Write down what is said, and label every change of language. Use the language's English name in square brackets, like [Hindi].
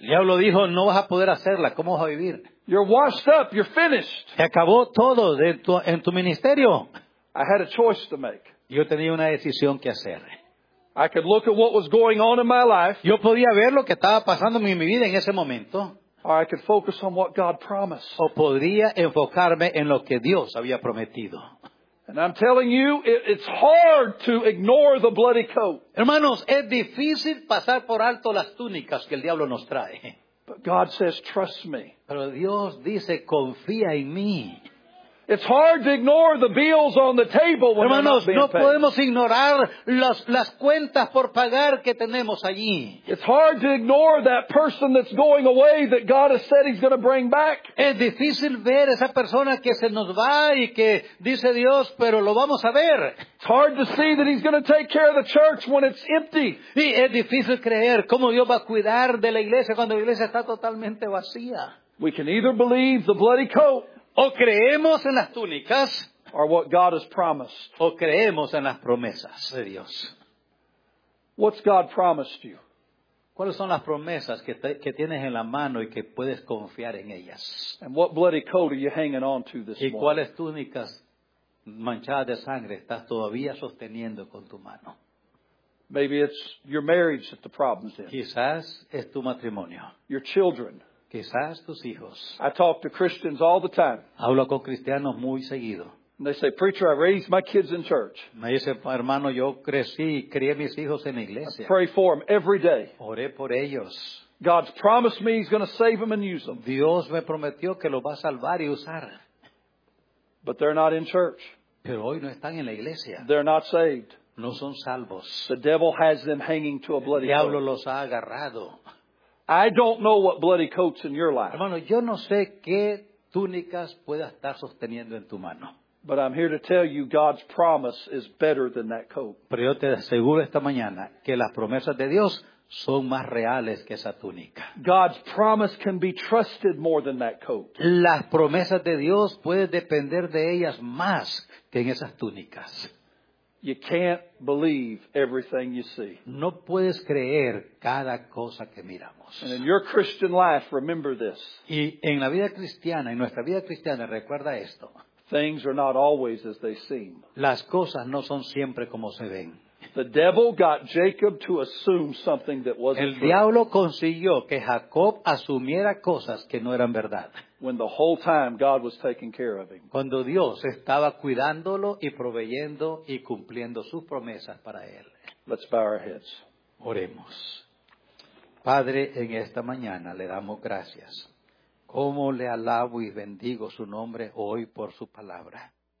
[Spanish] El diablo dijo, "No vas a poder hacerla. ¿Cómo vas a vivir?" [English] You're washed up. You're finished. [Spanish] Se acabó todo en tu ministerio. [English] I had a choice to make. [Spanish] Yo tenía una decisión que hacer. [English] I could look at what was going on in my life. [Spanish] Yo podía ver lo que estaba pasando en mi vida en ese momento. [English] Or I could focus on what God promised. [Spanish] O podría enfocarme en lo que Dios había prometido. [English] And I'm telling you, it's hard to ignore the bloody coat. [Spanish] Hermanos, es difícil pasar por alto las túnicas que el diablo nos trae. [English] But God says, trust me. [Spanish] Pero Dios dice, confía en mí. [English] It's hard to ignore the bills on the table when [Spanish] hermanos, [English] they're not being [Spanish] no [English] paid. [Spanish] Podemos ignorar las cuentas por pagar que tenemos allí. [English] It's hard to ignore that person that's going away that God has said he's going to bring back. [Spanish] Es difícil ver esa persona que se nos va y que dice Dios, pero lo vamos a ver. [English] It's hard to see that he's going to take care of the church when it's empty. [Spanish] Y es difícil creer cómo Dios va a cuidar de la iglesia cuando la iglesia está totalmente vacía. [English] We can either believe the bloody coat. [Spanish] O creemos en las túnicas. [English] Or what God has promised. [Spanish] O creemos en las promesas de Dios. [English] What's God promised you? [Spanish] ¿Cuáles son las promesas que tienes en la mano y que puedes confiar en ellas? [English] And what bloody coat are you hanging on to this morning? [Spanish] ¿Y cuáles túnicas manchadas de sangre estás todavía sosteniendo con tu mano? [English] Maybe it's your marriage that the problem's in. [Spanish] Quizás es tu matrimonio. [English] Your children. [Spanish] Quizás tus hijos. [English] I talk to Christians all the time. [Spanish] Hablo con cristianos muy seguido. [English] They say, "Preacher, I raised my kids in church." [Spanish] Me dice, hermano, yo crecí y crié mis hijos en la iglesia. [English] I pray for them every day. [Spanish] Oré por ellos. [English] God's promised me he's going to save them and use them. [Spanish] Dios me prometió que los va a salvar y usar. [English] But they're not in church. [Spanish] Pero hoy no están en la iglesia. [English] They're not saved. [Spanish] No son salvos. [English] The devil has them hanging to a bloody coat. [Spanish] El diablo los ha agarrado. [English] I don't know what bloody coats in your life. [Spanish] Hermano, yo no sé qué túnicas pueda estar sosteniendo en tu mano. [English] But I'm here to tell you God's promise is better than that coat. [Spanish] Pero yo te aseguro esta mañana que las promesas de Dios son más reales que esa túnica. [English] God's promise can be trusted more than that coat. [Spanish] Las promesas de Dios puedes depender de ellas más que en esas túnicas. [English] You can't believe everything you see. [Spanish] No puedes creer cada cosa que miramos. [English] And in your Christian life, remember this. [Spanish] Y en la vida cristiana, en nuestra vida cristiana, recuerda esto. [English] Things are not always as they seem. [Spanish] Las cosas no son siempre como se ven. [English] The devil got Jacob to assume something that wasn't true. [Spanish] El diablo consiguió que Jacob asumiera cosas que no eran verdad. [English] When the whole time God was taking care of him. [Spanish] Cuando Dios estaba cuidándolo y proveyendo y cumpliendo sus promesas para él. [English] Let's bow our heads. [Spanish] Oremos. Padre, en esta mañana le damos gracias. Cómo le alabo y bendigo su nombre hoy por su palabra.